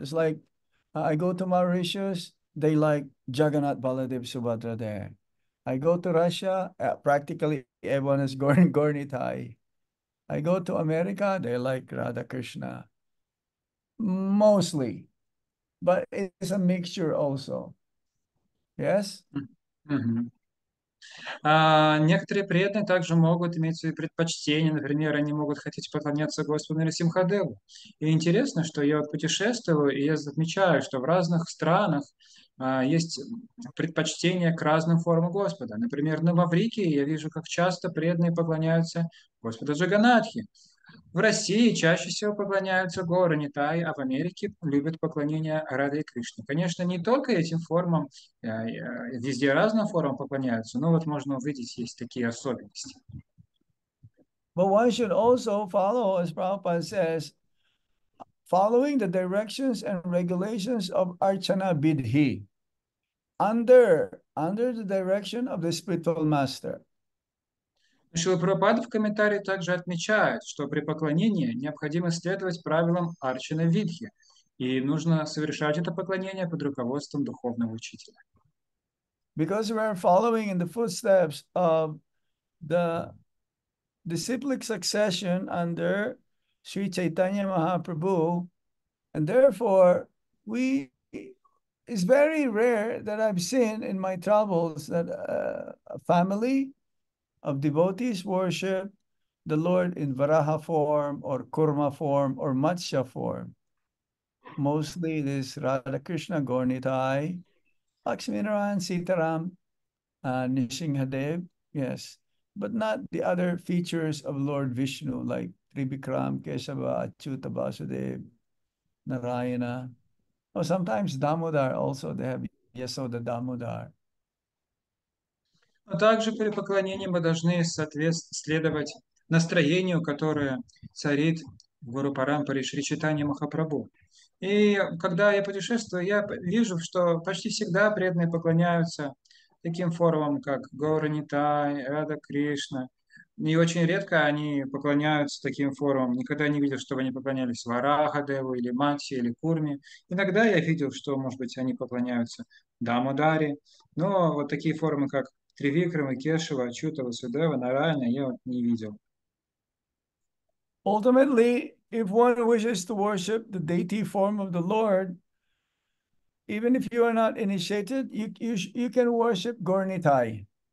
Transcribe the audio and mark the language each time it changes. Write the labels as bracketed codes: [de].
[en] It's like I go to Mauritius, they like Jagannath Baladev Subhadra there. I go to Russia, practically everyone is Gornitai. I go to America, they like Radha Krishna, mostly, but it's a mixture also. Yes? Mm-hmm. [ru] Некоторые преданные также могут иметь свои предпочтения. Например, они могут хотеть поклоняться Господу Нарасимхадеву. И интересно, что я вот путешествую, и я замечаю, что в разных странах есть предпочтения к разным формам Господа. Например, на Маврикии я вижу, как часто преданные поклоняются Господу Джаганатхи. В России чаще всего поклоняются горы Нитай, а в Америке любят поклонение Раде и Кришне. Конечно, не только этим формам, везде разным формам поклоняются, но вот можно увидеть, есть такие особенности. [en] But one should also follow, as Prabhupada says, following the directions and regulations of Archana Bidhi, under the direction of the spiritual master. [ru] Шрила Прабхупада в комментарии также отмечает, что при поклонении необходимо следовать правилам Арчана Видхи, и нужно совершать это поклонение под руководством духовного учителя. [en] Because we are following in the footsteps of the disciplic succession under Sri Chaitanya Mahaprabhu, and therefore we it's very rare that I've seen in my travels that a family of devotees worship the Lord in Varaha form or Kurma form or Matsya form. Mostly this Radha Krishna, Gornitai, Lakshmi Narayan, Sitaram, Nisinghadev, yes, but not the other features of Lord Vishnu like Tribikram, Keshava, Achyuta Vasudev, Narayana, or sometimes Damodar also, they have Yasoda Damodar. [ru] Но также при поклонении мы должны следовать настроению, которое царит в Гуру Парампаре Шри Чайтанья Махапрабху. И когда я путешествую, я вижу, что почти всегда преданные поклоняются таким формам, как Гаура Нитай, Рада Кришна, И очень редко они поклоняются таким формам. Никогда не видел, чтобы они поклонялись Варахадеву или Мати или Курме. Иногда я видел, что, может быть, они поклоняются Дамодаре. Но вот такие формы, как Тривикрама, Кешава, Ачюта, Васудева, Нараяна, я вот не видел. [en] Ultimately, if one wishes to worship the deity form of the Lord, even if you are not initiated, you can worship Gornitai.